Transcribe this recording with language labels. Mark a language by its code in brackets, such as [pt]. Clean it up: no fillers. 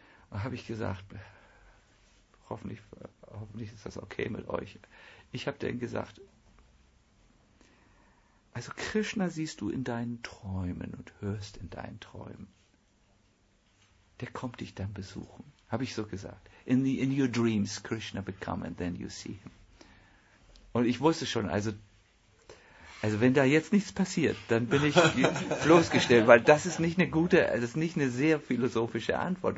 [de] Da habe ich gesagt, hoffentlich ist das okay mit euch. Ich habe denen gesagt, also Krishna siehst du in deinen Träumen und hörst in deinen Träumen. Der kommt dich dann besuchen, habe ich so gesagt. [en] In your dreams Krishna will come and then you see him. [de] Und ich wusste schon, also wenn da jetzt nichts passiert, dann bin ich bloßgestellt, weil das ist nicht eine gute, das ist nicht eine sehr philosophische Antwort.